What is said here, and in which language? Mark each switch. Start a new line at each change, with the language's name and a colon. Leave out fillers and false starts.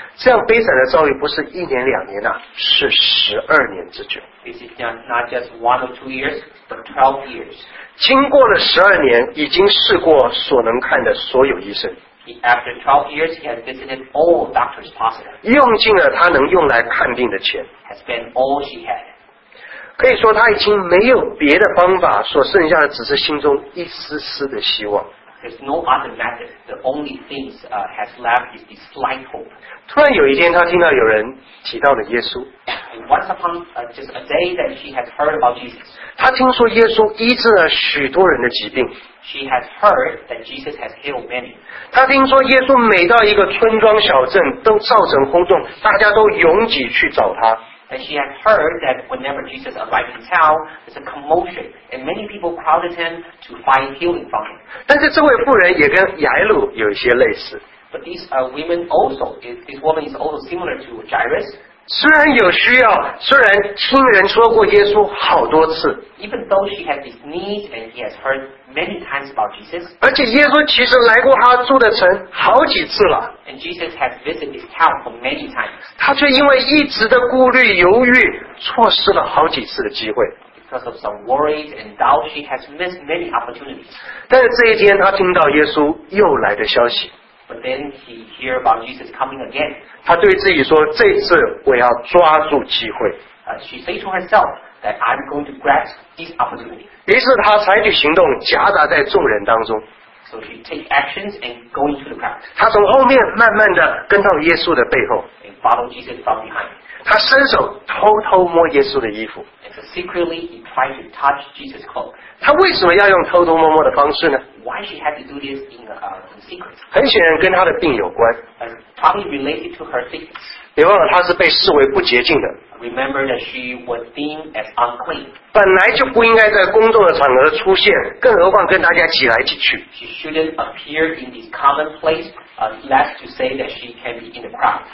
Chinese: 这样悲惨的遭遇不是一年两年啊，是12年之久。
English: This is not just one or two years, but 12 years.
Chinese: 经过了12年，已经试过所能看的所有医生。
English: After 12 years, he has visited all doctors possible.
Chinese: 用尽了他能用来看病的钱。
English: Has spent all she had.
Chinese: 可以说他已经没有别的方法，所剩下的只是心中一丝丝的希望。
English: There's no other method. The only thing has left is this slight hope.
Chinese: 突然有一天，她听到有人提到了耶稣。
English: And once upon just a day that she has heard about Jesus.
Chinese: 她听说耶稣医治了许多人的疾病。
English: She has heard that Jesus has healed many.
Chinese: 她听说耶稣每到一个村庄小镇都造成轰动，大家都拥挤去找他。
English: And she has heard that whenever Jesus arrived in town, there's a commotion, and many people crowded him to find healing from him.
Chinese: 但是这位妇人也跟雅鲁有一些类似。
English: But this woman is also similar to Jairus.
Chinese: 虽然有需要，虽然听人说过耶稣好多次，
English: even though she has this need and he has heard many times about Jesus，
Chinese: 而且耶稣其实来过他住的城好几次了，
English: and Jesus has visited his town for many times，
Chinese: 他却因为一直的顾虑犹豫，错失了好几次的机会。
English: Because of some worries and doubt, she has missed many opportunities.
Chinese: 但是这一天，他听到耶稣又来的消息。
English: But then he hear about Jesus coming again.
Chinese: 他对自己说：“这次我要抓住机会。”
English: She say to herself that I'm going to grasp this opportunity.
Chinese: 于是他采取行动，夹杂在众人当中。
English: So she take actions and go into the crowd.
Chinese: 他从后面慢慢的跟到耶稣的背后。
English: And follow Jesus from behind.
Chinese: 他伸手偷偷摸耶稣的衣服。
English: Secretly, he tried to touch Jesus' cloak.
Chinese: 他为什么要用偷偷摸摸的方式呢？
English: Why she had to do this in secret?
Chinese: 很显然跟他的病有关。
English: Probably related to her sickness.
Chinese: 别忘了他是被视为不洁净的。
English: Remember that she was deemed as unclean.
Chinese: 本来就不应该在公众的场合出现，更何况跟大家挤来挤去。
English: She shouldn't appear in this common place, less to say that she can be in the crowd.